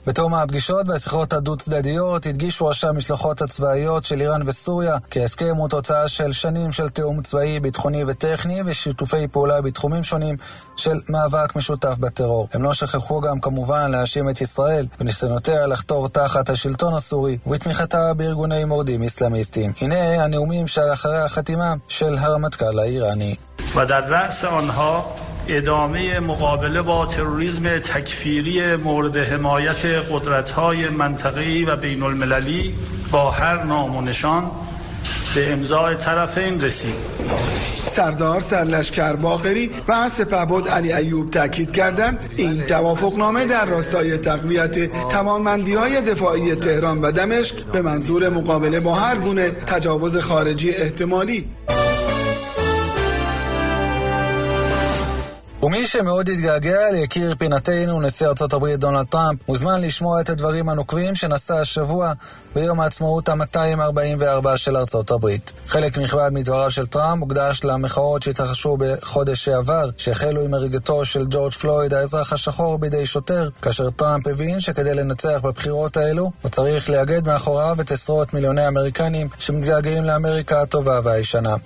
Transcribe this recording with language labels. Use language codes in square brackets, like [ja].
[he] בתום הפגישות והשיחות הדו-צדדיות הדגישו ראשי המשלחות הצבאיות של איראן וסוריה כי ההסכם הוא תוצאה של שנים של תיאום צבאי ביטחוני וטכני ושיתופי פעולה בתחומים שונים של מאבק משותף בטרור. הם לא שכחו גם כמובן להאשים את ישראל בניסיונותיה לחתור תחת השלטון הסורי ותמיכתה בארגוני מורדים אסלאמיסטיים. הנה הנאומים של אחרי החתימה של הרמטכ"ל האיראני. [fa] و در رأس آنها ادامه مقابله با تروریسم تکفیری مورد حمایت قدرت‌های منطقه‌ای و بین المللی با هر نام و نشان به امضای طرفین رسید. سردار سرلشکر باقری و سپهبد علی ایوب تاکید کردند این توافقنامه در راستای تقویت توانمندی‌های دفاعی تهران و دمشق به منظور مقابله با هر گونه تجاوز خارجی احتمالی. [he] ומי שמאוד התגעגע להכיר פינתנו, נשיא ארצות הברית דונלד טראמפ, מוזמן לשמוע את הדברים הנוקבים שנשא השבוע ביום העצמאות ה-244 של ארצות הברית. חלק מכבד מדבריו של טראמפ הוקדש למחאות שהתרחשו בחודש שעבר, שהחלו עם הריגתו של ג'ורג' פלויד, האזרח השחור בידי שוטר, כאשר טראמפ הבין שכדי לנצח בבחירות האלו, הוא צריך לאגד מאחוריו את עשרות מיליוני אמריקנים שמתגעגעים לאמריקה הטובה והישנה.